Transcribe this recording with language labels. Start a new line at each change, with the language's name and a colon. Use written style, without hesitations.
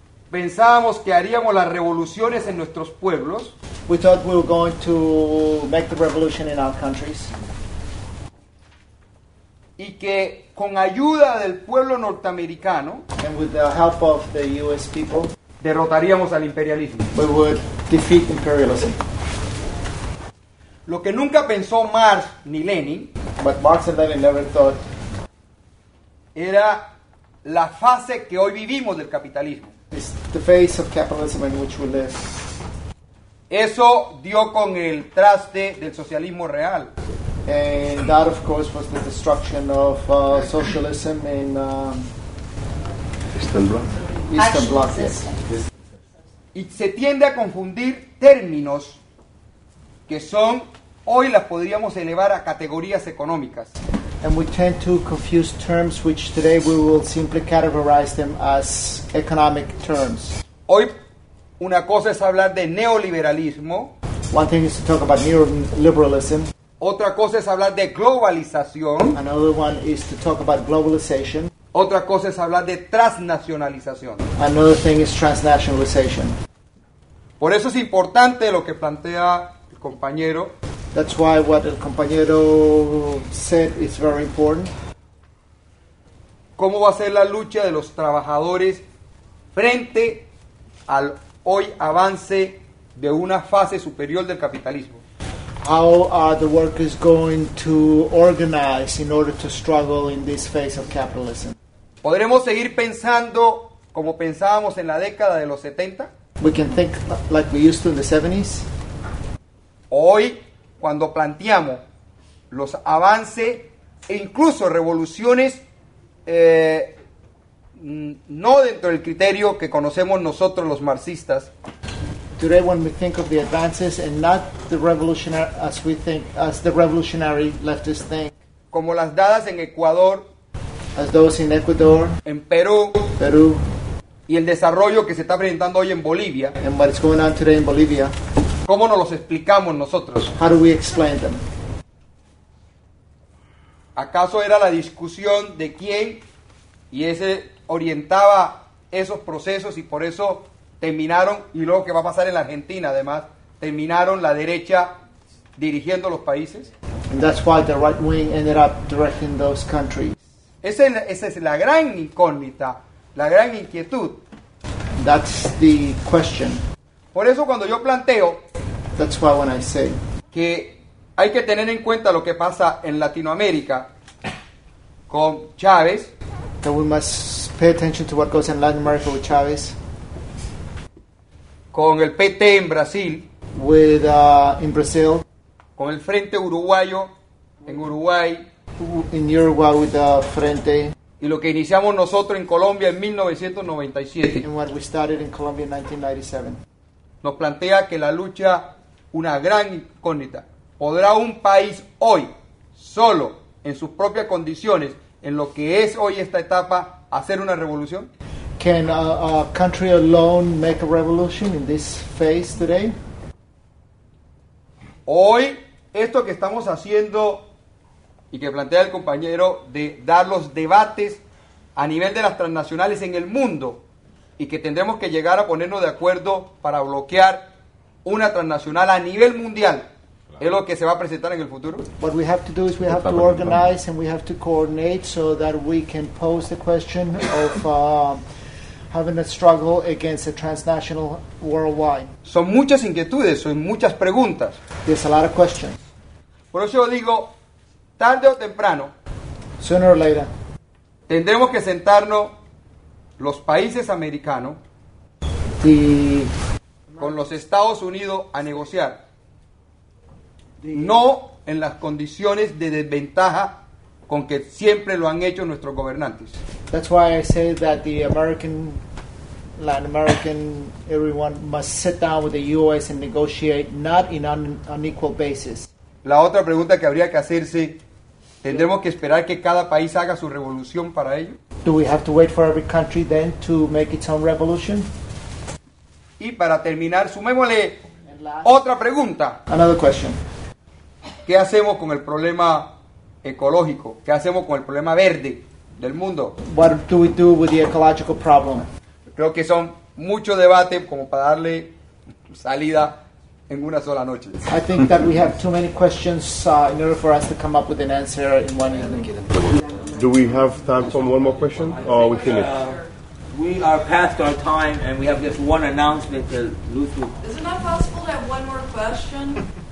Spanish: Pensábamos que haríamos las revoluciones en nuestros pueblos.
English: We thought we were going to make the revolution in our countries.
Spanish: Y que con ayuda del pueblo norteamericano,
English: and with the help of the US people,
Spanish: derrotaríamos al imperialismo.
English: We would defeat imperialism.
Spanish: Lo que nunca pensó Marx ni Lenin,
English: but Marx and Lenin never thought,
Spanish: era la fase que hoy vivimos del capitalismo.
English: It's the phase of capitalism in which we live.
Spanish: Eso dio con el traste del socialismo real.
English: And that, of course, was the destruction of socialism in Eastern Bloc. Yes.
Spanish: Y se tiende a confundir términos que son, hoy las podríamos elevar a categorías económicas.
English: And we tend to confuse terms which today we will simply categorize them as economic terms.
Spanish: Hoy, una cosa es hablar de neoliberalismo.
English: One thing is to talk about neoliberalism.
Spanish: Otra cosa es hablar de globalización.
English: Another one is to talk about globalization.
Spanish: Otra cosa es hablar de transnacionalización.
English: Another thing is transnationalization.
Spanish: Por eso es importante lo que plantea el compañero.
English: That's why what
Spanish: el compañero
English: said is very important.
Spanish: ¿Cómo va a ser la lucha de los trabajadores frente al hoy avance de una fase superior del capitalismo?
English: How are the workers going to organize in order to struggle in this phase of capitalism?
Spanish: ¿Podremos seguir pensando como pensábamos en la década de los 70?
English: We can think like we used to in the 70s.
Spanish: Hoy, cuando planteamos los avances e incluso revoluciones no dentro del criterio que conocemos nosotros los marxistas.
English: Today, when we think of the advances and not the revolutionary, as we think, as the revolutionary leftist thing.
Spanish: Como las dadas en Ecuador.
English: As those in Ecuador.
Spanish: En Perú.
English: Perú.
Spanish: Y el desarrollo que se está presentando hoy en Bolivia.
English: And what is going on today in Bolivia.
Spanish: ¿Cómo nos los explicamos nosotros?
English: How do we explain them?
Spanish: ¿Acaso era la discusión de quién y ese orientaba esos procesos y por eso terminaron, y luego qué va a pasar en la Argentina además, terminaron la derecha dirigiendo los países?
English: And that's why the right wing ended up directing those countries.
Spanish: Esa es la gran incógnita, la gran inquietud.
English: That's the question.
Spanish: Por eso cuando yo planteo,
English: that's why when I say,
Spanish: que hay que tener en cuenta lo que pasa en Latinoamérica con Chávez,
English: that we must pay attention to what goes in Latin America with Chávez,
Spanish: con el PT en Brasil,
English: with in Brazil,
Spanish: con el Frente Uruguayo en Uruguay,
English: in Uruguay with the Frente,
Spanish: y lo que iniciamos nosotros en Colombia en 1997.
English: And what we started in Colombia in 1997.
Spanish: Nos plantea que la lucha, una gran incógnita. ¿Podrá un país hoy, solo, en sus propias condiciones, en lo que es hoy esta etapa, hacer una revolución?
English: Can a country alone make a revolution in this phase today?
Spanish: Hoy, esto que estamos haciendo y que plantea el compañero de dar los debates a nivel de las transnacionales en el mundo y que tendremos que llegar a ponernos de acuerdo para bloquear una transnacional a nivel mundial. ¿Es lo que se va a presentar en el futuro?
English: What we have to do is we have to organize and we have to coordinate so that we can pose the question of having a struggle against a transnational worldwide.
Spanish: Son muchas inquietudes, son muchas preguntas.
English: There's a lot of questions.
Spanish: Por eso yo digo, tarde o temprano,
English: sooner or later,
Spanish: tendremos que sentarnos los países americanos
English: the,
Spanish: con los Estados Unidos a negociar. No en las condiciones de desventaja con que siempre lo han hecho nuestros gobernantes.
English: That's why I say that the American, Latin American, everyone must sit down with the U.S. and negotiate not in an unequal basis.
Spanish: La otra pregunta que habría que hacerse, ¿tendremos que esperar que cada país haga su revolución para ello?
English: Do we have to wait for every country then to make its own revolution?
Spanish: Y para terminar, sumémosle otra pregunta.
English: Another question.
Spanish: ¿Qué hacemos con el problema ecológico? ¿Qué hacemos con el problema verde del mundo?
English: What do we do with the ecological problem?
Spanish: Creo que son muchos debates como para darle salida en una sola noche.
English: I think that we have too many questions in order for us to come up with an answer in one evening. Do we have time for one more question or we finish? We are past our time and we have just one announcement to Luthu. Is it not possible to have one more question?